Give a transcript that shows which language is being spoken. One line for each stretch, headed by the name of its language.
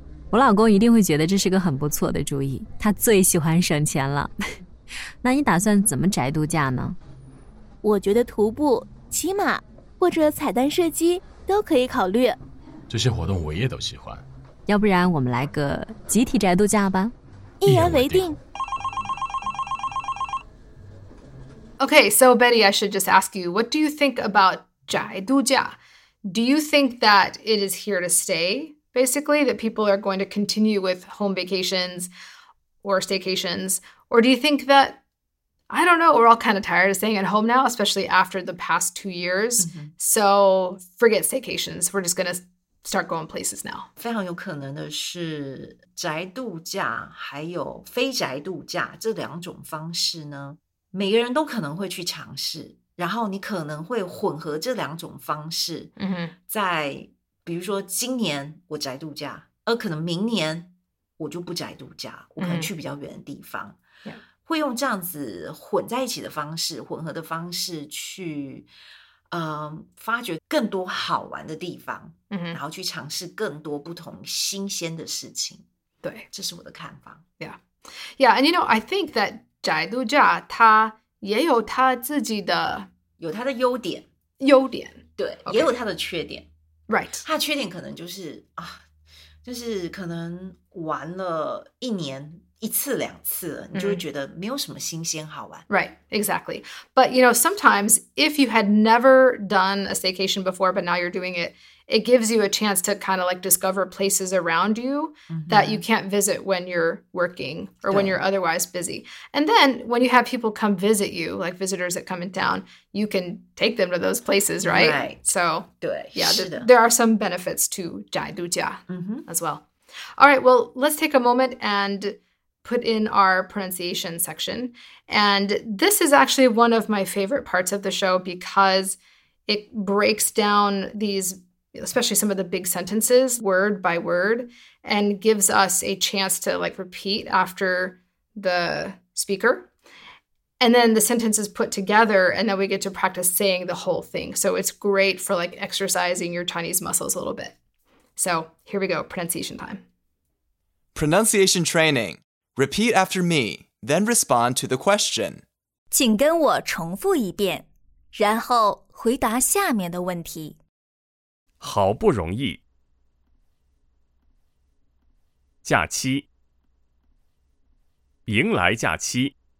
Chinese: 我老公一定会觉得这是个很不错的主意，他最喜欢省钱了。那你打算怎么宅度假呢？我觉得徒步、骑马或者彩蛋射击都可以考虑。这些活动我也都喜欢。要不然我们来个集体宅度假吧。一言为定。
English: Okay, so Betty, I should just ask you, what do you think about 宅度假? Do you think that it is here to stay, basically, that people are going to continue with home vacations or staycations? Or do you think that I don't know. We're all kind of tired of staying at home now, especially after the past 2 years. Mm-hmm. So forget staycations. We're just going to start going places now.
Chinese: 非常有可能的是宅度假还有非宅度假这两种方式呢，每个人都可能会去尝试，然后你可能会混合这两种方式。 Mm-hmm. 在比如说今年我宅度假，而可能明年我就不宅度假，我可能去比较远的地方。 Mm-hmm. Yeah. 会用这样子混在一起的方式，混合的方式去发掘更多好玩的地方、 mm-hmm. 然后去尝试更多不同新鲜的事情。对，这是我的看法。
English: Yeah, and you know, I think that 宅度假它也有它自己的，
Chinese: 有它的优点，优点，对、okay. 也有它的缺点。
English: Right,
Chinese: 它的缺点可能就是啊，就是可能玩了一年一次两次了，你就会觉得没有什么新鲜好玩。
English: Right, exactly. But, you know, sometimes if you had never done a staycation before, but now you're doing it, it gives you a chance to kind of like discover places around you、mm-hmm. that you can't visit when you're working or when you're otherwise busy. And then when you have people come visit you, like visitors that come in town, you can take them to those places, right? Right. So,
Chinese: 对
English: yeah,
Chinese: 是的
English: there are some benefits to 宅度假、 mm-hmm. as well. All right, well, let's take a moment and... put in our pronunciation section. And this is actually one of my favorite parts of the show because it breaks down these, especially some of the big sentences, word by word, and gives us a chance to like repeat after the speaker. And then the sentence is put together and then we get to practice saying the whole thing. So it's great for like exercising your Chinese muscles a little bit. So here we go, pronunciation time. Pronunciation training. Repeat after me, then respond to the question.
Chinese: 请跟我重复一遍，然后回答下面的问题。好不容易。假期。迎来假期。